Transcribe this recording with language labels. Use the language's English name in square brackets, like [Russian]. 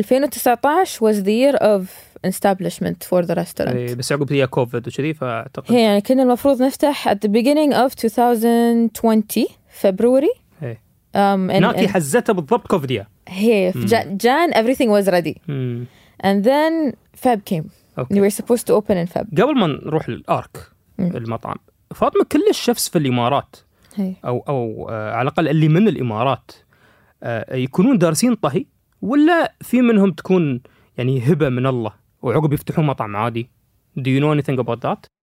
[English] 2019 was the year of establishment for the restaurant. [Arabic] بس عقب هي كوفيد وكذي, فاعتقد هي يعني كنا المفروض نفتح [English] at the beginning of 2020 February. [Arabic] ناكي حزتها بالضبط كوفيد. هي جان [English] everything was ready. And then Feb came. Okay. We were supposed to open in Feb. [Arabic] قبل ما نروح للارك المطعم, فاطمة كل الشيفس في الامارات أو على الأقل اللي من الإمارات يكونون دارسين طهي, ولا في منهم تكون يعني هبة من الله وعقب يفتحوا مطعم عادي؟ [English] Do you know anything about that?